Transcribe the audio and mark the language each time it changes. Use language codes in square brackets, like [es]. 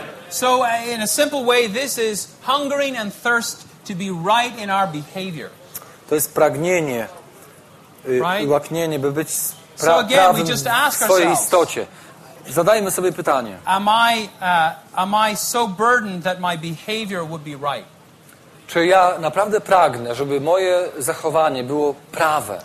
[en] So in a simple way this is hungering and thirst to be right in our behavior. [pl] To jest pragnienie i łaknienie, by być prawym w swojej istocie. Zadajmy sobie pytanie. [en] Am I so burdened that my behavior would be right? [pl] Czy ja naprawdę pragnę, żeby moje zachowanie było prawe?